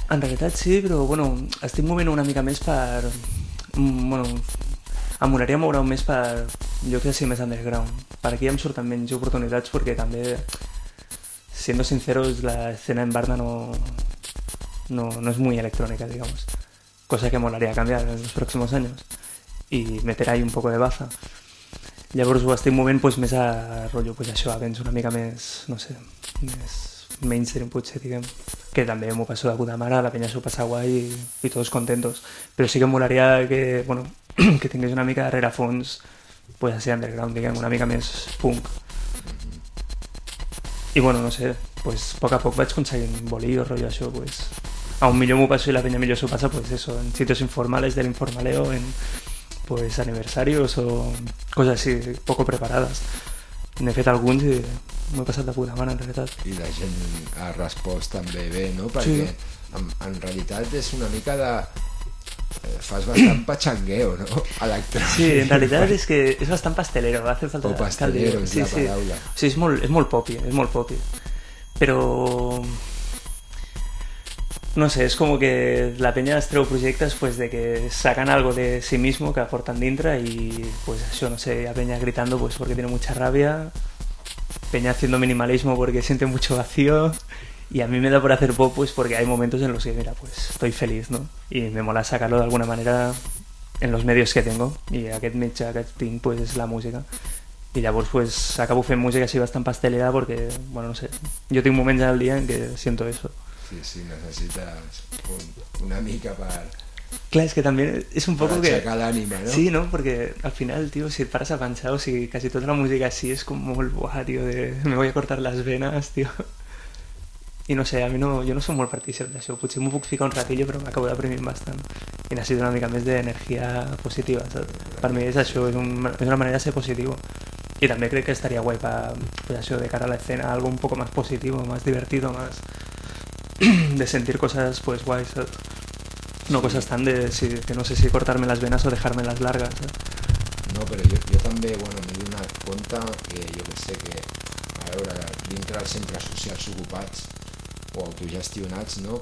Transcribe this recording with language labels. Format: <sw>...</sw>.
<ca>En realitat sí, però bueno, estic movent una mica més per... Bueno, em volaria moure més per... Jo crec que sí, més underground. Per aquí em surten menys oportunitats perquè també,</ca> <es>siendo sinceros, la escena en Barna no és muy electrónica, digamos.</es> <ca>Cosa que molaria canviar en els pròxims anys.</ca> <es>I meter ahí un poco de baza.</es> <ca>Llavors ho estic movent pues, més a rotllo, pues, això, a vens una mica més, no sé, més mainstream potser, diguem. Que també m'ho passo de puta mare, la penya s'ho passa guai i tots contentos. Però sí que em molaria que, bueno, que tingués una mica de rerefons, pues así underground, diguem, una mica més punk. I bueno, no sé, pues poc a poc vaig aconseguint bolir o rotllo això, pues... A un millor m'ho passo i la penya millor s'ho passa,</ca> <es>pues eso, en sitios informales,</es> <ca>de l'informaleo, en...</ca> <es>pues aniversarios o cosas así poco preparadas.</es> <ca>N'he fet alguns i m'ho he passat de puta mare, en realitat. I la gent ha respost també bé, no? Perquè sí. en realitat és una mica de... Fas bastant pachangueo, no? Electrònic. Sí, en realitat és que és bastant pastelero.</ca> <es>Hace falta</es> <ca>o pastelero, és sí, la sí. Paraula. O sigui, és molt popi, és molt popi. Però...</ca> <es>No sé, es como que la peña de estreo proyectas pues de que sacan algo de sí mismo que aportan dintre y pues eso, no sé, la peña gritando pues porque tiene mucha rabia, peña haciendo minimalismo porque siente mucho vacío y a mí me da por hacer pop pues porque hay momentos en los que mira, pues estoy feliz, ¿no? Y me mola sacarlo de alguna manera en los medios que tengo y</es> <ca>aquest mitjà que tinc</ca> <es>pues es la música.</es> <ca>I llavors pues, acabo fent música així bastant pastelera</ca> <es>porque, bueno, no sé, yo tengo momentos en el día en que siento eso.</es> <ca>Sí, sí, necessites una mica per... Clar, és que també és un poc que... Per aixecar l'ànima, no? Sí, no? Perquè al final, tio, si et pares a pensar, o sigui, quasi tota la música així és com molt buah, tio, de...</ca> <es>Me voy a cortar las venas, tio.</es> <ca>I no sé, a mi no... Jo no soc molt partícip d'això. Potser m'ho puc ficar un ratillo, però m'acabo deprimint bastant. I necessito una mica més d'energia positiva, saps? Per mi és això, és una manera de ser positiu. I també crec que estaria guai per, pues, això, de cara a l'escena, algo un poc més positiu, més divertido, més...</ca> <es>de sentir cosas pues guays, ¿sabes? No cosas tan de si que no sé si cortarme las venas o dejarme las largas, ¿sabes? No, pero yo también, bueno, me di una cuenta que yo que sé que ahora dentro del centro social ocupats o autogestionats, ¿no?</es>